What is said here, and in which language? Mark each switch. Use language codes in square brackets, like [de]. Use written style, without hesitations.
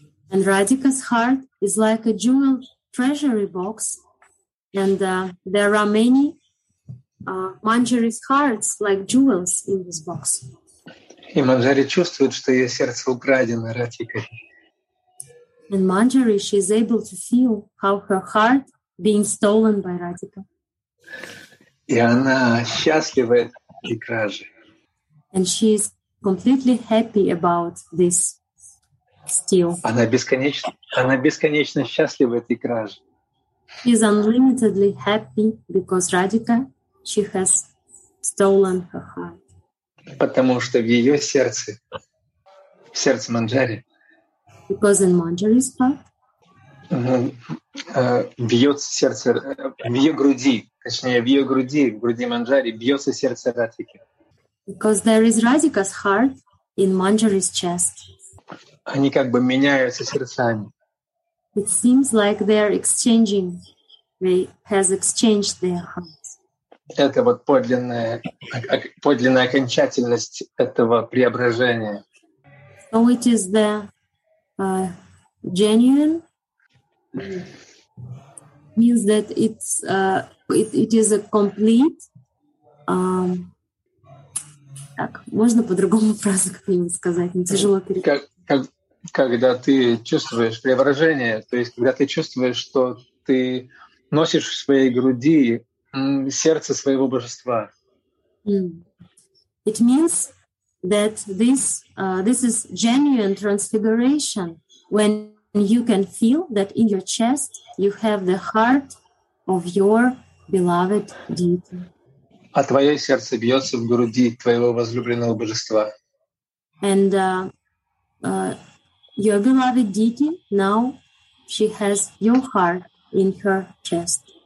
[en] And Radhika's heart is like a jewel treasury box, and there are many Manjari's hearts like jewels in this box. [ru] И Манджари чувствует, что ее сердце украдено Ратикой. [en] And Manjari, she is able to feel how her heart being stolen by Radhika. [ru] И она счастлива этой краже. [en] And she is completely happy about this steal. [ru] Она бесконечно счастлива этой краже. [en] She's unlimitedly happy because Radhika, she has stolen her heart. [ru] Потому что в ее сердце, в сердце Манджари, [en] because in Manjari's heart, [ru] бьется сердце, в ее груди, точнее, в ее груди, в груди Манджари, бьется сердце Радхики. [en] Because there is Radhika's heart in Manjari's chest. [ru] Они как бы меняются сердцами. [en] It seems like they are exchanging. They has exchanged their hearts. [ru] Это вот подлинная, подлинная окончательность этого преображения. [en] So it is the genuine. Means that it's it is a complete. [ru] Так, можно по-другому фразу как-нибудь сказать? Не тяжело перевести. Когда ты чувствуешь преображение, то есть когда ты чувствуешь, что ты носишь в своей груди сердце своего божества. [en] It means that this is genuine transfiguration when you can feel that in your chest you have the heart of your beloved deity. [ru] А твое сердце бьется в груди твоего возлюбленного божества. [en] And your beloved deity, now she has your heart in her chest.